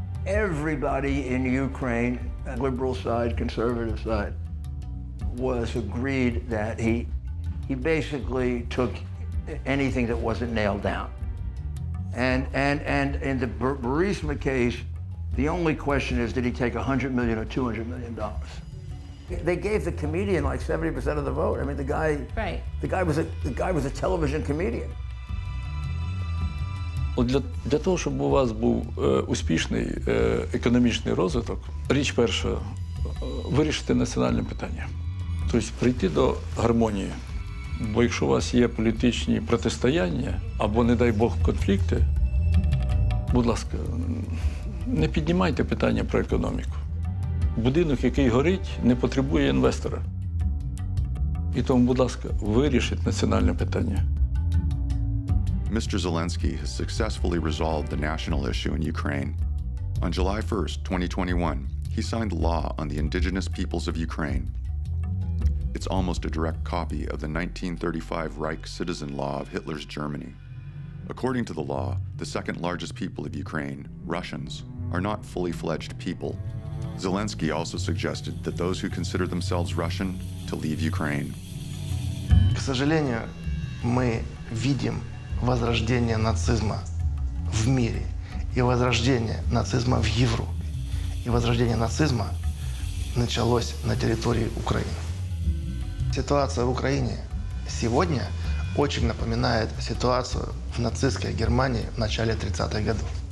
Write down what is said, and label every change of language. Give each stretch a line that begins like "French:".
English: Everybody in Ukraine, liberal side, conservative side, was agreed that he basically took anything that wasn't nailed down. And in the Burisma case, the only question is, did he take $100 million or $200 million? They gave the comedian like 70% of the vote. I mean, the guy was a television comedian.
Ukrainian: От для того, щоб у вас був успішний економічний розвиток, річ перша – вирішити національне питання. Тобто прийти до гармонії. Бо якщо у вас є політичні протистояння або, не дай Бог, конфлікти, будь ласка, не піднімайте питання про економіку. Будинок, який горить, не потребує інвестора. І тому, будь ласка, вирішіть національне питання.
English: Mr. Zelensky has successfully resolved the national issue in Ukraine. On July 1st, 2021, he signed law on the indigenous peoples of Ukraine. It's almost a direct copy of the 1935 Reich citizen law of Hitler's Germany. According to the law, the second largest people of Ukraine, Russians, are not fully fledged people. Zelensky also suggested that those who consider themselves Russian to leave Ukraine.
Russian: К сожалению, мы видим возрождение нацизма в мире и возрождение нацизма в Европе. И возрождение нацизма началось на территории Украины. Ситуация в Украине сегодня очень напоминает ситуацию в нацистской Германии в начале 30-х годов.